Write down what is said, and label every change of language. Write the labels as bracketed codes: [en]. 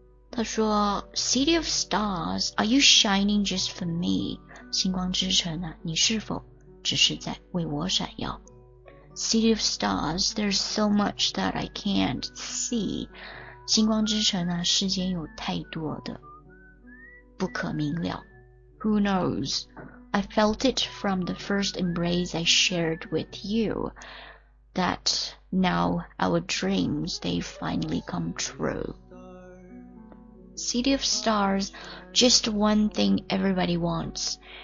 [zh] 他说 [en] City of stars, are you shining just for me? [zh] 星光之城啊，你是否只是在为我闪耀？ [en] City of stars, there's so much that I can't see. [zh] 星光之城啊，世间有太多的不可明了。 [en] Who knows? I felt it from the first embrace I shared with you, that now our dreams, they finally come true. City of stars, just one thing everybody wants.